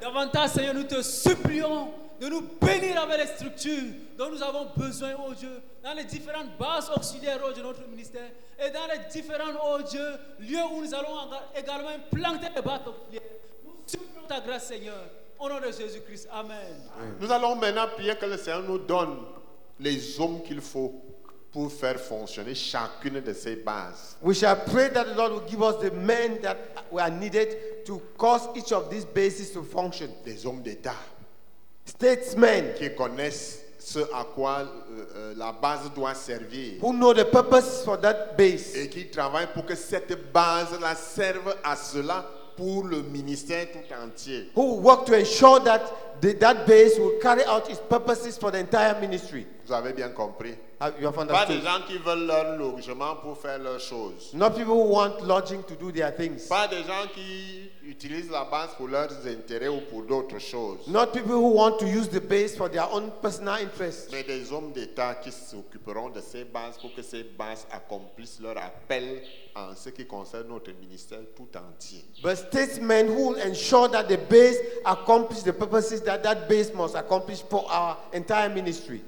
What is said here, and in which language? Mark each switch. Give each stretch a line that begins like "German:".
French: Davantage, Seigneur, nous te supplions de nous bénir avec les structures dont nous avons besoin, oh Dieu, dans les différentes bases auxiliaires, oh Dieu, de notre ministère, et dans les différents, oh Dieu, lieux où nous allons également planter les bases auxiliaires. Nous supplions ta grâce, Seigneur, au nom de Jésus-Christ. Amen. Nous allons maintenant prier que le Seigneur nous donne les hommes qu'il faut pour faire fonctionner chacune de ces bases.
English: We shall pray that the Lord will give us the men that were needed to cause each of these bases to function.
French: Des hommes d'État.
English: Statesmen.
French: Qui connaissent ce à quoi la base doit servir.
English: Who know the purpose for that base.
French: Et qui travaillent pour que cette base-là serve à cela pour le ministère tout entier.
English: Who work to ensure that that base will carry out its purposes for the entire ministry.
French: Vous avez bien compris.
English: You have understood.
French: Pas des gens qui veulent leur logement pour faire leurs choses.
English: Not people who want lodging to do their things.
French: Pas des gens qui utilisent la base pour leurs intérêts ou pour d'autres choses.
English: Not people who want to use the base for their own personal interests.
French: Mais des hommes d'État qui s'occuperont de ces bases pour que ces bases accomplissent leur appel en ce qui concerne notre ministère tout entier.
English: But statesmen who will ensure that the base accomplishes the purposes that that base must accomplish for our entire ministry.